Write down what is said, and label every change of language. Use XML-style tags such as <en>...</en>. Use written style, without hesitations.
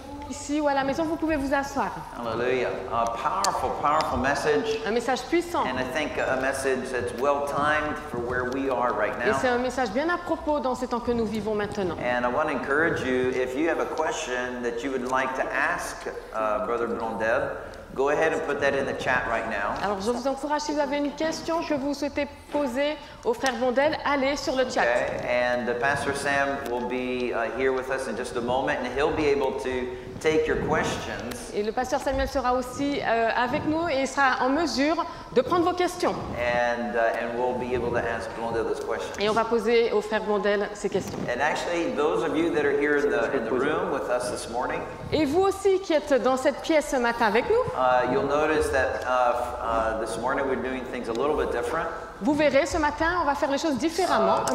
<fr>Ici ou à la maison, vous pouvez vous asseoir.</fr> <en>Hallelujah. A powerful, powerful message.</en> <fr>Un message puissant.</fr> <en>And I think a message that's well timed for where we are right now.</en> <fr>Et c'est un message bien à propos dans ces temps que nous vivons maintenant.</fr> <en>And I want to encourage you, if you have a question that you would like to ask Brother Blondel, go ahead and put that in the chat right now.</en> <fr>Alors je vous encourage, si vous avez une question que vous souhaitez poser au frère Blondel, allez sur le chat.</fr> <en>Okay. And Pastor Sam will be here with us in just a moment, and he'll be able to take your questions.</en> <fr>Et le pasteur Samuel sera aussi avec nous et sera en mesure de prendre vos questions.</fr> <en>And we'll be able to ask Blondel those questions.</en> <fr>Et on va poser au frère Blondel ces questions.</fr> <en>And actually, those of you that are here in the room with us this morning.</en> <fr>Et vous aussi qui êtes dans cette pièce ce matin avec nous.</fr> <en>You'll notice that this morning we're doing things a little bit different.</en> <fr>Vous verrez, ce matin, on va faire les choses différemment, un</fr>